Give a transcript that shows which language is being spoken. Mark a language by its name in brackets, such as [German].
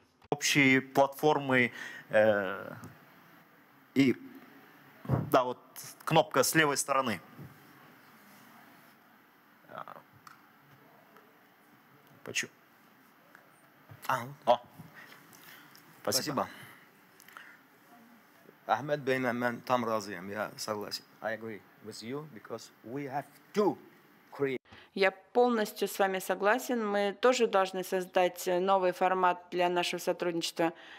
[Russian] Общие платформы и да, вот кнопка с левой стороны. Спасибо. Ахмед бин Ахмед Тамразием, я согласен. [English] I agree with you because we have to create. [Russian] Я полностью с вами согласен. Мы тоже должны создать новый формат для нашего сотрудничества.